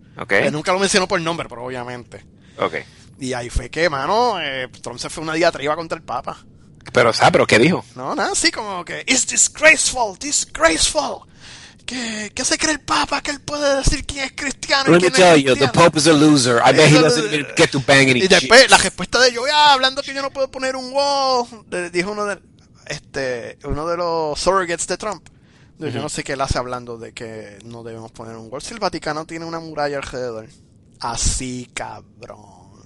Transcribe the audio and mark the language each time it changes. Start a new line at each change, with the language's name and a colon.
Spanish: Okay. Nunca lo mencionó por nombre, pero obviamente. Okay. Y ahí fue que, mano, Trump se fue una diatriba contra el Papa. Pero, ¿sabes? ¿Pero qué dijo? No, nada, sí, como que, it's disgraceful, disgraceful. ¿Qué se cree el Papa? Que él puede decir quién es cristiano y quién
English: es cristiano. Let me tell you, the Pope is a loser. I bet he doesn't get to bang any shit.
Spanish: Y después, la respuesta de yo, hablando que yo no puedo poner un wall, dijo uno de los surrogates de Trump. Yo no sé qué él hace hablando de que no debemos poner un wall. Si el Vaticano tiene una muralla alrededor. Así, cabrón.